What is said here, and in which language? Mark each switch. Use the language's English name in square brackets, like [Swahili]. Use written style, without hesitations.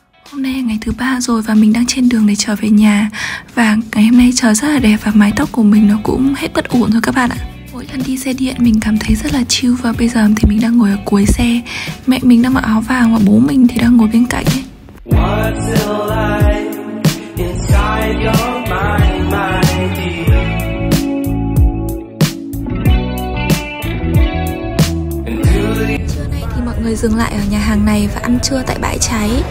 [Vietnamese] Hôm nay ngày thứ 3 rồi và mình đang trên đường để trở về nhà. Và ngày hôm nay trời rất là đẹp và mái tóc của mình nó cũng hết bất ổn rồi các bạn ạ. Mỗi lần đi xe điện mình cảm thấy rất là chill. Và bây giờ thì mình đang ngồi ở cuối xe. Mẹ mình đang mặc áo vàng và bố mình thì đang ngồi bên cạnh ấy. [English] What's it like inside your mind, my dear? [Vietnamese] Trưa nay thì mọi người dừng lại ở nhà hàng này và ăn trưa tại bãi cháy.